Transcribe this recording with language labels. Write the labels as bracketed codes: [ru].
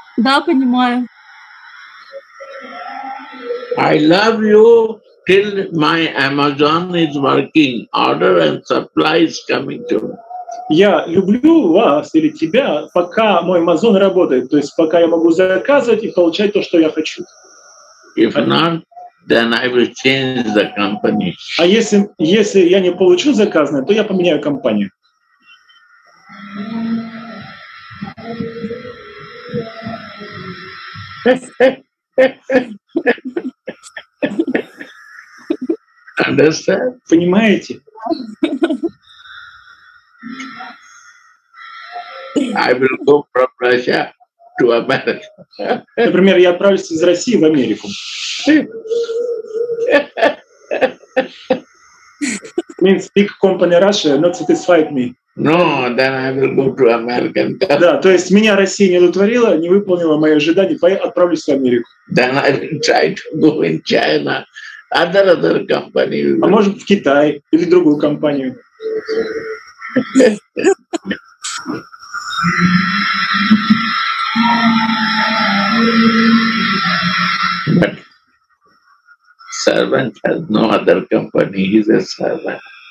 [ru] Да, понимаю. [en] I love you till my Amazon is working, order and supply is coming to me. [ru] Я люблю вас или тебя, пока мой Amazon работает, то есть пока я могу заказывать и получать то, что я хочу. [en] If not, then I will change the company. [ru] А если я не получу заказное, то я поменяю компанию. [en] Understand? [ru] Понимаете? [en] I will go from Russia to America. [ru] Например, я отправлюсь из России в Америку. [en] Means big company Russia not satisfied me. No, then I will go to American. [ru] Да, то есть меня Россия не удовлетворила, не выполнила мои ожидания, поэтому отправлюсь в Америку. [en] Then I will try to go in China, another company. [ru] А может в Китай или другую компанию? [en] But servant has no other company. He is a servant.